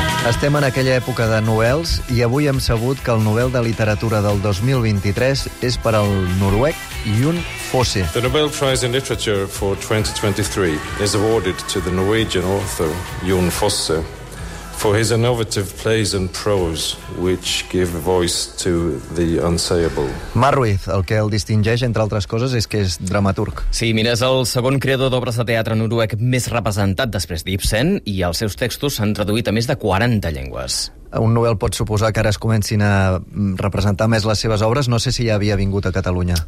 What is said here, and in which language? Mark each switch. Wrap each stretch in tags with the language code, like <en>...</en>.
<ca>Estem en aquella època de Nobels i avui hem sabut que el Nobel de Literatura del 2023 és per al noruec Jon Fosse.</ca> <en>The Nobel Prize in Literature for 2023 is awarded to the Norwegian author Jon Fosse for his innovative plays and prose which give voice to the unsayable.</en> <ca>Mar Ruiz, el que el distingeix, entre altres coses, és que és dramaturg. Sí, mira, és el segon creador d'obres de teatre noruec més representat després d'Ibsen i els seus textos s'han traduït a més de 40 llengües. Un Nobel pot suposar que ara es comencin a representar més les seves obres. No sé si ja havia vingut a Catalunya.</ca>